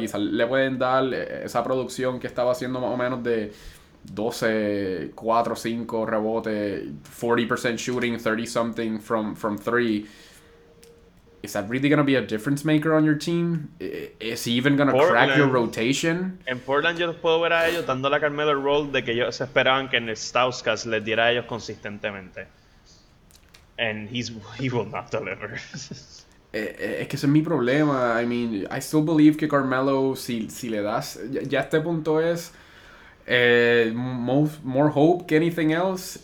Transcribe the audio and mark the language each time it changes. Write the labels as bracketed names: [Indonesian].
[Spanish] Quizás le pueden dar esa producción que estaba haciendo más o menos de 12, 4, 5 rebotes, 40% shooting, [English] 30-something from 3. Is that really going to be a difference maker on your team? Is he even going to crack your rotation? [Spanish] En Portland yo los puedo ver a ellos dándole a Carmelo el role de que ellos esperaban que Stauskas les diera a ellos consistentemente. [English] And he will not deliver. [Spanish] Es que ese es mi problema. [English] I mean, I still believe [Spanish] que Carmelo, si le das, ya este punto es [English] more hope [Spanish] que [English] anything else.